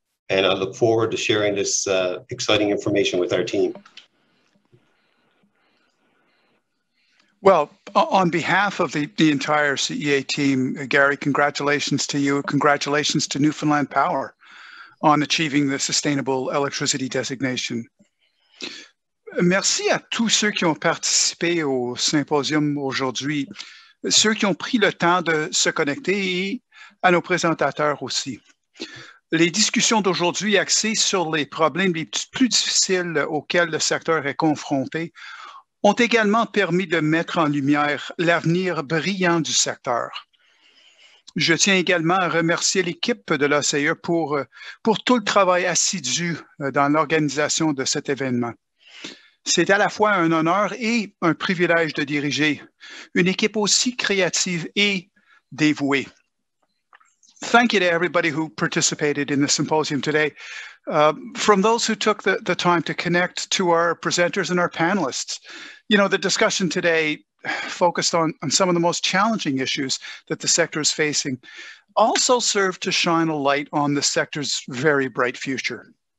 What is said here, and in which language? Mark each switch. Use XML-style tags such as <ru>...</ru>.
<en>And I look forward to sharing this exciting information with our team. Well, on behalf of the entire CEA team, Gary, congratulations to you. Congratulations to Newfoundland Power on achieving the sustainable electricity designation.</en> <fr>Merci à tous ceux qui ont participé au symposium aujourd'hui. ceux qui ont pris le temps de se connecter et à nos présentateurs aussi. Les discussions d'aujourd'hui axées sur les problèmes les plus difficiles auxquels le secteur est confronté ont également permis de mettre en lumière l'avenir brillant du secteur. Je tiens également à remercier l'équipe de l'ACE pour tout le travail assidu dans l'organisation de cet événement. C'est à la fois un honneur et un privilège de diriger une équipe aussi créative et dévouée.</fr> <en>Thank you to everybody who participated in the symposium today. From those who took the time to connect to our presenters and our panelists, you know, the discussion today focused on some of the most challenging issues that the sector is facing, also served to shine a light on the sector's very bright future.</en>